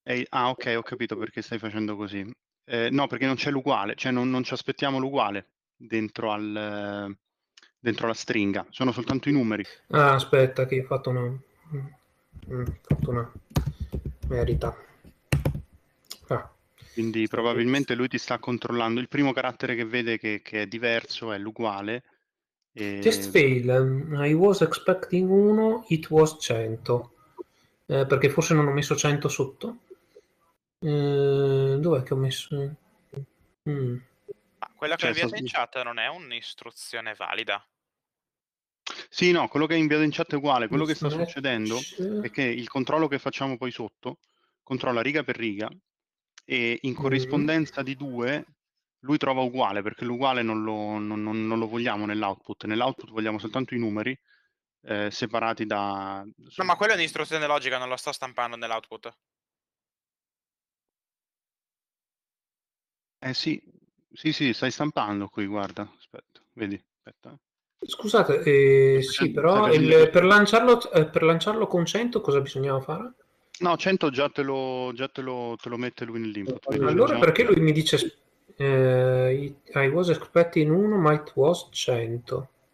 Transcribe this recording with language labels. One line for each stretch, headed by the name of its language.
Italian: Ah, ok, ho capito perché stai facendo così. No, perché non c'è l'uguale, cioè non ci aspettiamo l'uguale dentro la stringa, sono soltanto i numeri. Ah, aspetta, che ho fatto una merita. Ah. Quindi probabilmente lui ti sta controllando, il primo carattere che vede che è diverso è l'uguale.
English: Test fail, I was expecting 1, it was 100.
Italian: Perché forse non ho messo 100 sotto. Dov'è che ho messo? Quella che inviato in chat non è un'istruzione valida? Sì, no, quello che è inviato in chat è uguale. Quello che sta succedendo è che il controllo che facciamo poi sotto controlla riga per riga e in corrispondenza di due lui trova uguale, perché l'uguale non lo vogliamo nell'output. Nell'output vogliamo soltanto i numeri separati da... No, ma quella è un'istruzione logica, non la sto stampando nell'output. Sì, stai stampando qui, guarda, aspetta, vedi, aspetta. Scusate, sì, però per lanciarlo con 100 cosa bisognava fare? No, 100 già te lo mette lui nell'input. Allora perché lui mi dice,
English: I was expecting 1,
Italian: ma
English: it was 100?